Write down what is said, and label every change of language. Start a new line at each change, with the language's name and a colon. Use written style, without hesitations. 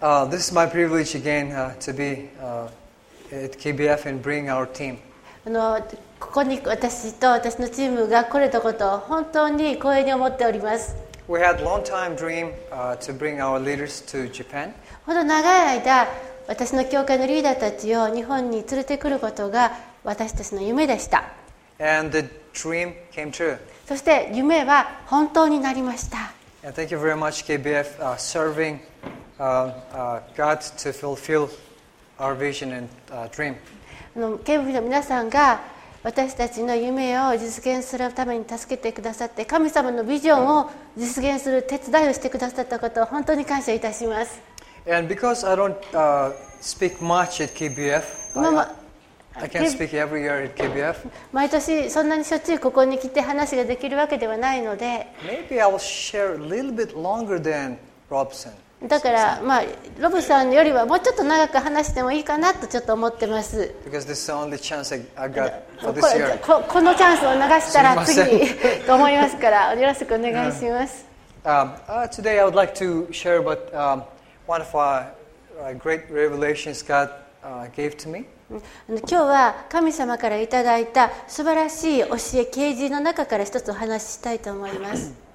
English: This is my privilege again to be at KBF and bring our team.
Japanese: ここに私と私のチームが来れたことを本当に光栄に思っております。
English: We had long time dream to bring our leaders to Japan.
Japanese: ほど長い間、私の教会のリーダーたちを日本に連れてくることが私たちの夢でした。
English: And the dream came true.
Japanese: そして夢は本当になりました。
English: And thank you very much, KBF, serving God to fulfill our vision and dream.
Japanese: KBF の皆さんが私たちの夢を実現するために助けてくださって、神様のビジョンを実現する手伝いをしてくださったことを本当に感謝いたします。
English: And because I don't speak much at KBF, I can't speak every year at KBF.
Japanese: 毎年そんなにしょっちゅうここに来て話ができるわけではないので。
English: Maybe I will share a little bit longer than Robson.
Japanese: だから、まあ、ロブさんよりはもうちょっと長く話してもいいかなとちょっと思ってます。
English: Because this is the only chance I got for this year.
Japanese: このチャンスを逃したら次と思いますから、よろしくお願いします。
English: Today I would like to share about one of our great revelations God gave to me.
Japanese: 今日は神様からいただいた素晴らしい教え啓示の中から一つお話ししたいと思います。